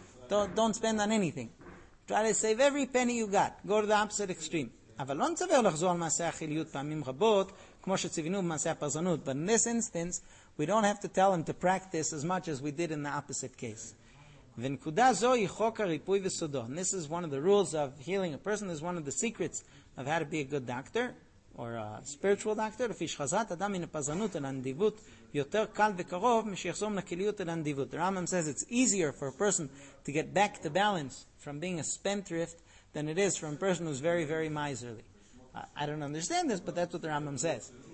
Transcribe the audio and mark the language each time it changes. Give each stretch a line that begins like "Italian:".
English: Don't spend on anything. Try to save every penny you got. Go to the opposite extreme.
Hebrew: אבל לא נצווה לחזור על מעשה החיליות פעמים רבות, כמו שציוונו במעשה הפרזנות.
English: But in this instance, we don't have to tell him to practice as much as we did in the opposite case.
Hebrew: ונקודה זו היא חוק הריפוי וסודו.
English: And this is one of the rules of healing a person. This is one of the secrets of how to be a good doctor, or a spiritual doctor.
Hebrew: לפי שחזת אדם מן הפרזנות אל הנדיבות, יותר קל וקרוב משיחזור מן הכיליות אל הנדיבות.
English: The Rambam says it's easier for a person to get back the balance from being a spendthrift than it is from a person who's very, very miserly. I don't understand this, but that's what the Rambam says.